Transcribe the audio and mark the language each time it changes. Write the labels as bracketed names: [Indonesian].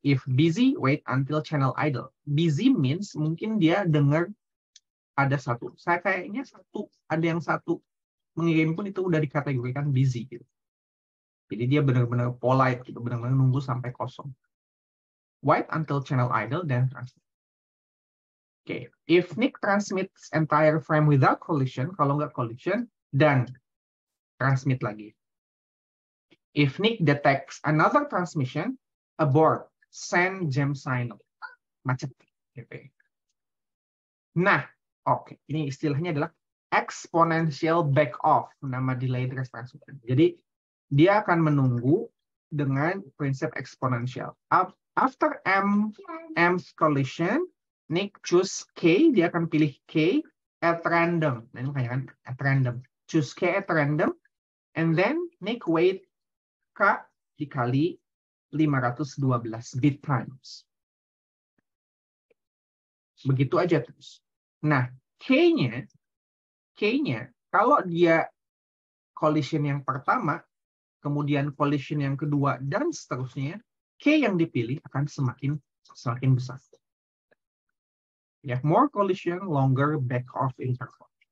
[English] If busy, wait until channel idle. Busy means [Indonesian] mungkin dia dengar ada satu. Saya kayaknya satu, ada yang satu. Mengirim pun itu udah dikategorikan busy. Gitu. Jadi dia benar-benar polite, gitu. Benar-benar nunggu sampai kosong. [English] Wait until channel idle, then transmit. Okay. If NIC transmits entire frame without collision, [Indonesian] kalau nggak collision, dan transmit lagi. [English] If Nick detects another transmission, abort, send jam signal. [Indonesian] Macet. Gitu. Nah, oke. [English] Okay. [Indonesian] Ini istilahnya adalah exponential back off, nama delayed response. Jadi, dia akan menunggu dengan prinsip exponential. [English] After M's collision, Nick choose K, [Indonesian] dia akan pilih [English] K at random. [Indonesian] Nah, ini makanya kan at random. [English] Choose K at random, and then Nick wait K dikali 512 bit times. [Indonesian] Begitu aja terus. Nah, K-nya, kalau dia collision yang pertama, kemudian collision yang kedua, dan seterusnya, K yang dipilih akan semakin semakin besar. [English] Ya, more collision, longer back off interval.